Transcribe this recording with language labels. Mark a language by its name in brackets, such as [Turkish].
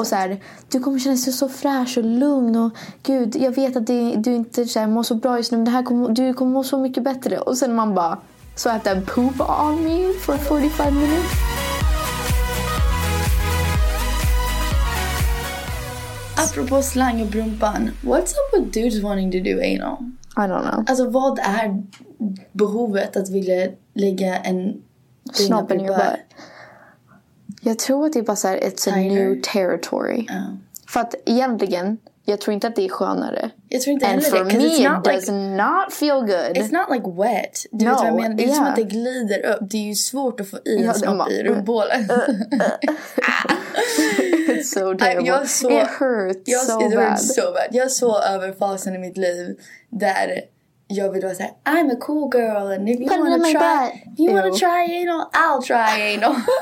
[Swedish] och så här, du kommer känna dig så fräsch och lugn. Och gud, jag vet att du inte så här, mår så bra just nu. Men det här du kommer må så mycket bättre. Och sen man bara, så att den [English] poop on me for 45 minutes. [Swedish] Apropå slang och brumpan. [English] What's up with dudes wanting to do anal? I don't know. [Swedish] Alltså vad är behovet att vilja lägga en snopp i [English] your butt? [Swedish] Jag tror att det är bara så här, [English] it's a Tiger. New territory. [Swedish] För att egentligen, jag tror inte att det är skönare. Jag tror inte heller det. [English] And for me, it does not feel good. It's not like wet. [Swedish] Du vet vad jag menar? Det är som att det glider upp. Det är ju svårt att få i en snopp i rumpålen. [English] It's so terrible. It hurts so bad. It hurts so bad. [Swedish] Jag är så över fasen i mitt liv. Där jag vill vara såhär, [English] I'm a cool girl. And if you want to try, if you want to try anal, I'll try anal.